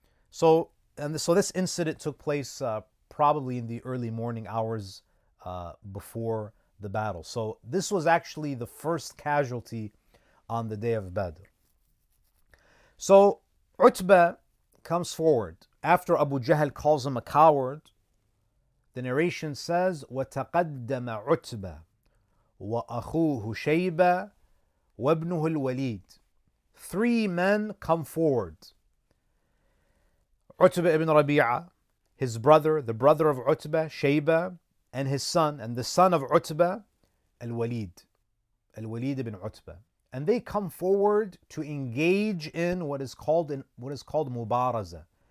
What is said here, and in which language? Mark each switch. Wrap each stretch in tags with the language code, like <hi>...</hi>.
<en>So this incident took place probably in the early morning hours before the battle. So this was actually the first casualty on the day of Badr. So Utbah comes forward after Abu Jahl calls him a coward. The narration says,</en> <ar>وَتَقَدَّمَ عُتْبَةَ وَأَخُوهُ شَيْبَةَ وَابْنُهُ الْوَلِيدِ.</ar> <en>Three men come forward. Utbah ibn Rabi'ah, his brother, the brother of Utbah, Shaybah, and his son, and the son of Utbah, Al-Walid. Al-Walid ibn Utbah. And they come forward to engage in what is called Mubaraza.</en>